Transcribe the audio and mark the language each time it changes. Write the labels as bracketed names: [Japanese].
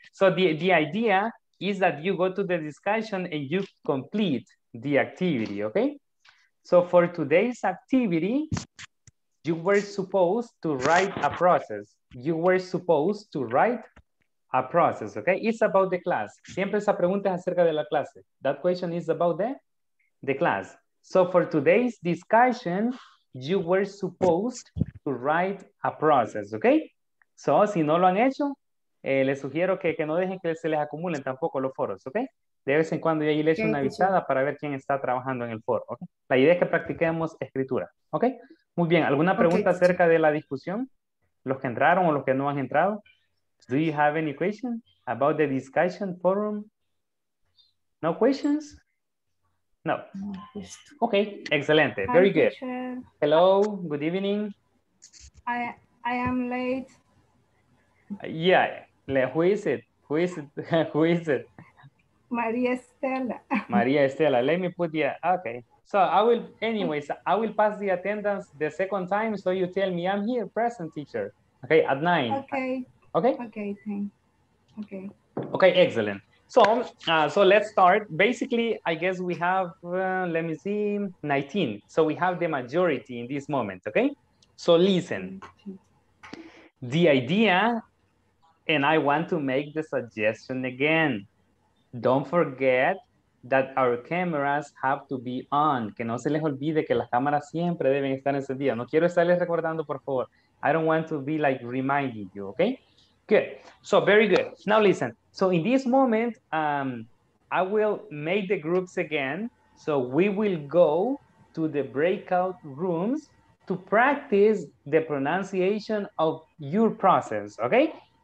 [English] So the idea is that you go to the discussion and you complete the activity, okay? So for today's activity, you were supposed to write a process. You were supposed to write a process, okay? It's about the class. [Spanish] Siempre esa pregunta es acerca de la clase. [English] That question is about the class. So for today's discussion, you were supposed to write a process, okay? [Spanish] So si no lo han hecho, les sugiero que no dejen que se les acumulen tampoco los foros, ¿ok? De vez en cuando yo ahí les echo una avisada para ver quién está trabajando en el foro, ¿ok? La idea es que practiquemos escritura, ¿ok? Muy bien, ¿alguna pregunta acerca de la discusión? ¿Los que entraron o los que no han entrado? [English] Do you have any question about the discussion forum? No questions? No. Ok, excelente. Hi, very teacher. Good. Hello, good evening. I am late. Yeah, who is it? Maria Estela. Maria Estela, let me put the, okay. So I will, anyways, I will pass the attendance the second time, so you tell me I'm here, present teacher. Okay, at 9. Okay. Okay? Okay, thank you. Okay. Okay, excellent. So let's start. Basically, I guess we have, let me see, 19. So we have the majority in this moment, okay? So listen, the idea, and I want to make the suggestion again. Don't forget that our cameras have to be on. [Spanish] Que no se les olvide que las cámaras siempre deben estar encendidas. No quiero estarles recordando, por favor. [English] I don't want to be like reminding you, okay? Good. So very good. Now listen. So in this moment, I will make the groups again. So we will go to the breakout rooms to practice the pronunciation of your process, okay?